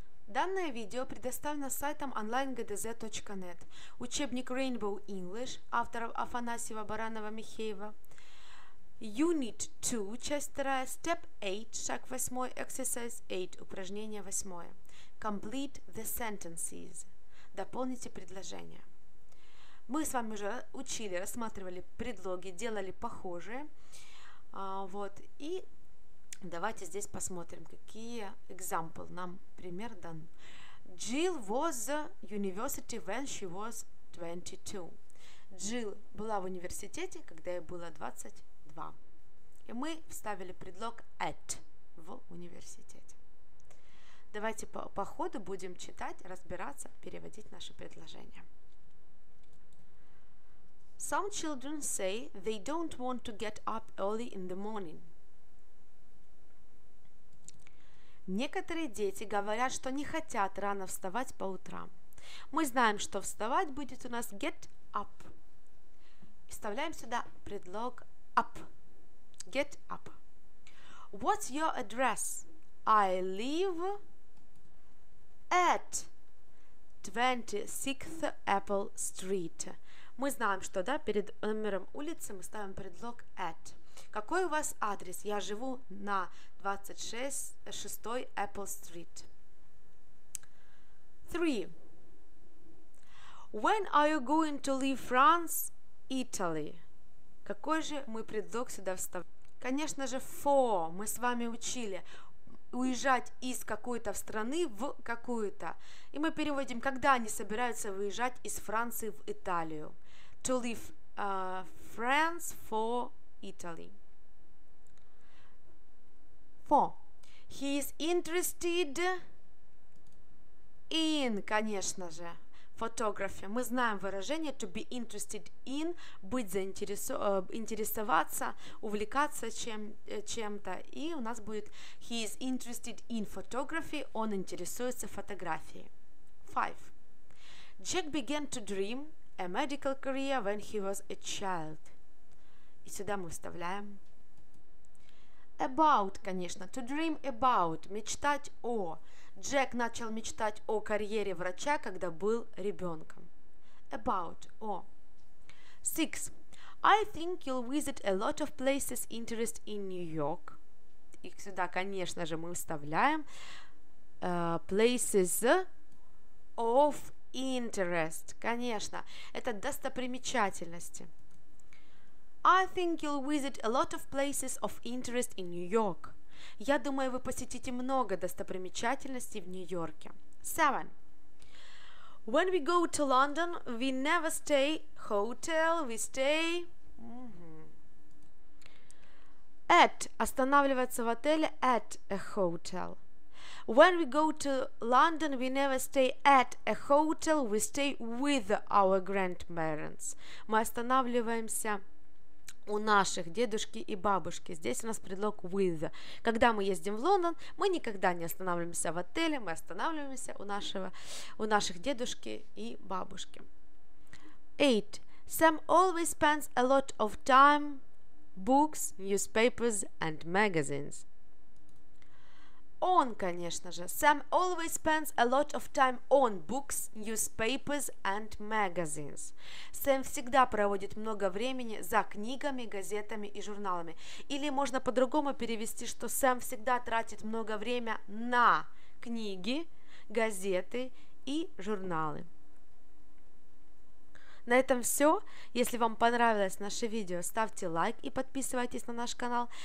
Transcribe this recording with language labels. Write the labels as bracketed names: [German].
[Russian] Данное видео предоставлено сайтом onlinegdz.net. Учебник Rainbow English авторов Афанасьева, Баранова, Михеева. Unit 2, часть 2, Step 8, шаг 8, Exercise 8, упражнение 8. [English] Complete the sentences. [Russian] Дополните предложения. Мы с вами уже учили, рассматривали предлоги, делали похожие. Вот, и давайте здесь посмотрим, какие example нам пример дан. [English] Jill was at university when she was 22. [Russian] Jill была в университете, когда ей было 22. И мы вставили предлог at в университете. Давайте по ходу будем читать, разбираться, переводить наши предложения. [English] Some children say they don't want to get up early in the morning. [Russian] Некоторые дети говорят, что не хотят рано вставать по утрам. Мы знаем, что вставать будет у нас get up. И вставляем сюда предлог up. [English] Get up. What's your address? I live at 26th Apple Street. [Russian] Мы знаем, что да, перед номером улицы мы ставим предлог at. Какой у вас адрес? Я живу на 26th Apple Street. 3. [English] When are you going to leave France, Italy? [Russian] Какой же мы предлог сюда вставляем? Конечно же, for. Мы с вами учили уезжать из какой-то страны в какую-то. И мы переводим, когда они собираются выезжать из Франции в Италию. [English] To leave France for Italy. 4. He is interested in, [Russian] конечно же, [English] photography. [Russian] Мы знаем выражение [English] to be interested in, [Russian] быть заинтересоваться, увлекаться чем-то. И у нас будет [English] he is interested in photography, [Russian] он интересуется фотографией. 5. [English] Jack began to dream a medical career when he was a child. [Russian] И сюда мы вставляем about, конечно, [English] to dream about, [Russian] мечтать о. Джек начал мечтать о карьере врача, когда был ребенком. About, о. 6. [English] I think you'll visit a lot of places interest in New York. [Russian] И сюда, конечно же, мы вставляем [English] places of interest. [Russian] Конечно, это достопримечательности. [English] I think you'll visit a lot of places of interest in New York. [Russian] Я думаю, вы посетите много достопримечательностей в Нью-Йорке. 7. [English] When we go to London, we never stay hotel, we stay at, [Russian] останавливаться в отеле [English] at a hotel. When we go to London, we never stay at a hotel, we stay with our grandparents. [Russian] Мы останавливаемся у наших дедушки и бабушки. Здесь у нас предлог with. Когда мы ездим в Лондон, мы никогда не останавливаемся в отеле, мы останавливаемся у наших дедушки и бабушки. 8. [English] Sam always spends a lot of time books, newspapers and magazines. [Russian] Он, конечно же. [English] Sam always spends a lot of time on books, newspapers and magazines. [Russian] Сэм всегда проводит много времени за книгами, газетами и журналами. Или можно по-другому перевести, что Сэм всегда тратит много времени на книги, газеты и журналы. На этом все. Если вам понравилось наше видео, ставьте лайк и подписывайтесь на наш канал.